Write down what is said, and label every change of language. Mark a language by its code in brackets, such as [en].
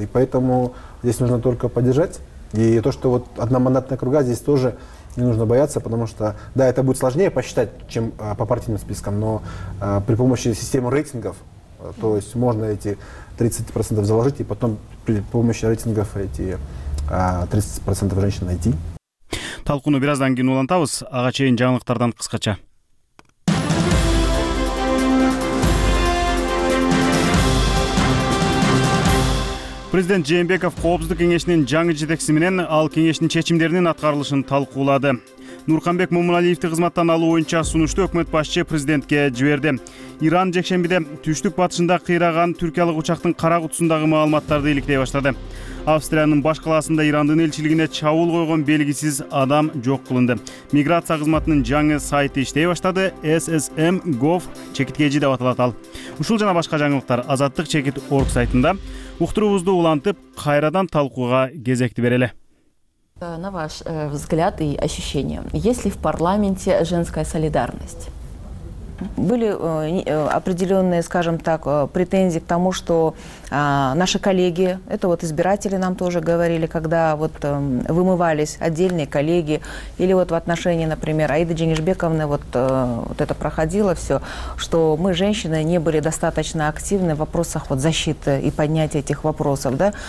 [ru] И поэтому здесь нужно только поддержать. И то, что вот одномандатная округа здесь тоже... Не нужно бояться, потому что, да, это будет сложнее посчитать, чем по партийным спискам, но при помощи системы рейтингов То есть можно эти 30% заложить и потом при помощи рейтингов эти 30% женщин найти. [ky] Талкууну бираздан кийин улантабыз. Ага чейин жаңылыктардан кыскача. Президент Жээнбеков коопсуздук кеңешинин жаңы жетекчиси менен ал кеңештин чечимдеринин аткарылышын талкуулады. Нурканбек Момуналиевди кызматтан алуу боюнча сунушту өкмөт башчы президентке жиберди. Иран жекшембиде түштүк батышында кыйраган түркиялык учактын кара кутусундагы маалыматтарды иликтей баштады. Австриянын баш калаасында Ирандын элчилигине чабуул койгон белгисиз адам жок кылынды. Миграция кызматынын жаңы сайты иштей баштады. SSM.gov чекиткечи деп аталат ал. Ушул жана башка жаңылыктар Азаттык чекит орг сайтында. Уктуруубузду улантып, кайрадан талкууга кезекти берели. [ru] На ваш взгляд и ощущение, есть ли в парламенте женская солидарность? Были определенные, скажем так, претензии к тому, что наши коллеги, это вот избиратели нам тоже говорили, когда вот вымывались отдельные коллеги, или вот в отношении, например, Аиды Джанишбековны, вот это проходило все, что мы, женщины, не были достаточно активны в вопросах вот защиты и поднятия этих вопросов, да.